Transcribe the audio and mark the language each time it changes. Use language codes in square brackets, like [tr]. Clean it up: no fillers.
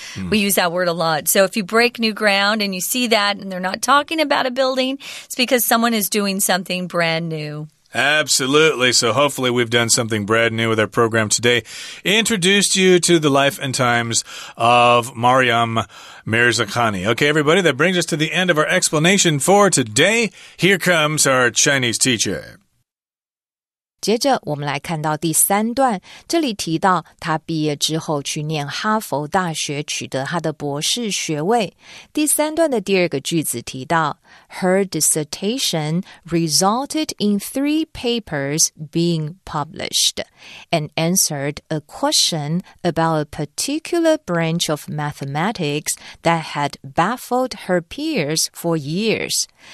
[en] Mm. We use that word a lot. So if you break new ground and you see that and they're not talking about a building, it's because someone is doing something brand new. Absolutely. So hopefully we've done something brand new with our program today. Introduced you to the life and times of Mariam Mirzakhani. Okay, everybody, that brings us to the end of our explanation for today. Here comes our Chinese teacher. [zh] 接着我们来看到第三段，这里提到他毕业之后去念哈佛大学，取得他的博士学位。第三段的第二个句子提到 [en] Her dissertation resulted in three papers being published and answered a question about a particular branch of mathematics that had baffled her peers for years.